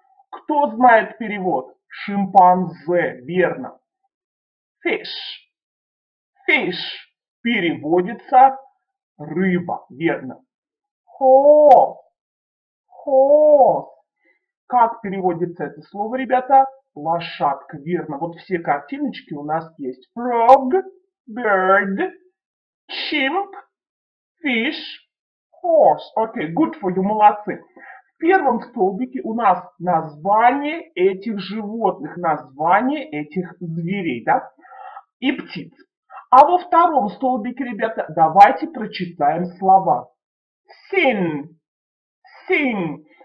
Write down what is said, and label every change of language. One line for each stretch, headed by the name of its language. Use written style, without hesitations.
Russian: Кто знает перевод? Шимпанзе, верно.
English: Fish. Fish.
Russian: Переводится рыба, верно.
English: Horse. Horse.
Russian: Как переводится это слово, ребята? Лошадка, верно. Вот все картиночки у нас есть.
English: Frog, bird, chimp, fish, horse. Okay, good for you,
Russian: молодцы. В первом столбике у нас название этих животных, название этих зверей, да, и птиц. А во втором столбике, ребята, давайте прочитаем слова.
English: Sing, sing.